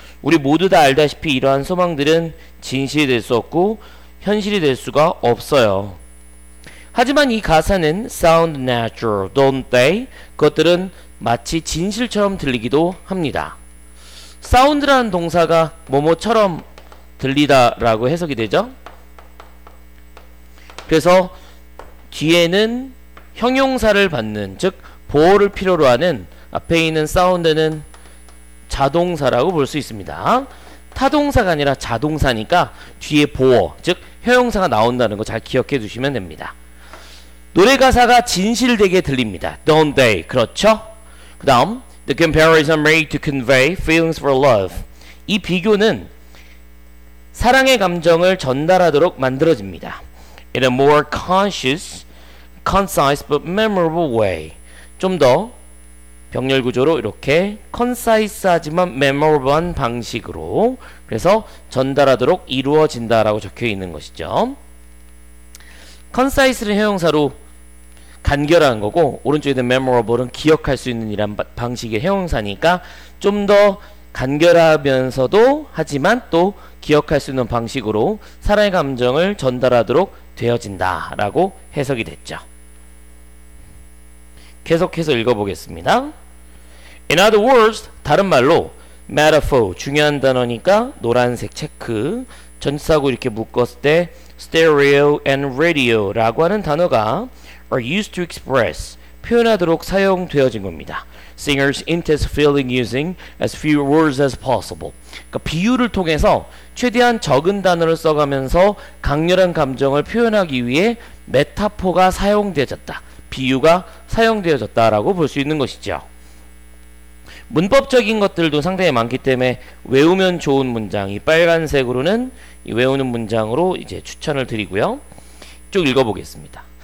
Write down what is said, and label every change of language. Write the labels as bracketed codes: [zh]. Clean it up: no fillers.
[ko] 우리 모두 다 알다시피 이러한 소망들은 진실이 될 수 없고 현실이 될 수가 없어요. 하지만 이 가사는 [en] sound natural, don't they? [ko] 그것들은 마치 진실처럼 들리기도 합니다. sound라는 동사가 뭐뭐처럼 들리다 라고 해석이 되죠. 그래서 뒤에는 형용사를 받는 즉 보호를 필요로 하는 앞에 있는 사운드는 자동사라고 볼 수 있습니다. 타동사가 아니라 자동사니까 뒤에 보호 즉 형용사가 나온다는 거 잘 기억해 두시면 됩니다. 노래 가사가 진실되게 들립니다. [en] Don't they? [ko] 그렇죠? 그 다음 [en] The comparison made to convey feelings for love. [ko] 이 비교는 사랑의 감정을 전달하도록 만들어집니다. [en] In a more conscious, concise but memorable way. [ko] 좀 더 병렬 구조로 이렇게 concise하지만 memorable한 방식으로 그래서 전달하도록 이루어진다라고 적혀 있는 것이죠. concise는 형용사로 간결한 거고 오른쪽에 있는 memorable은 기억할 수 있는 이란 방식의 형용사니까 좀 더 간결하면서도 하지만 또 기억할 수 있는 방식으로 사랑의 감정을 전달하도록 되어진다 라고 해석이 됐죠. 계속해서 읽어보겠습니다. [en] In other words, [ko] 다른 말로 metaphor 중요한 단어니까 노란색 체크 전치사구 이렇게 묶었을 때 stereo and radio 라고 하는 단어가 [en] are used to express [ko] 표현하도록 사용되어진 겁니다. [en] Singers intensively using as few words as possible. [ko] 그러니까 비유를 통해서 최대한 적은 단어를 써가면서 강렬한 감정을 표현하기 위해 메타포가 사용되어졌다. 비유가 사용되어졌다라고 볼 수 있는 것이죠. 문법적인 것들도 상당히 많기 때문에 외우면 좋은 문장이 빨간색으로는 이 외우는 문장으로 이제 추천을 드리고요. 쭉 읽어보겠습니다.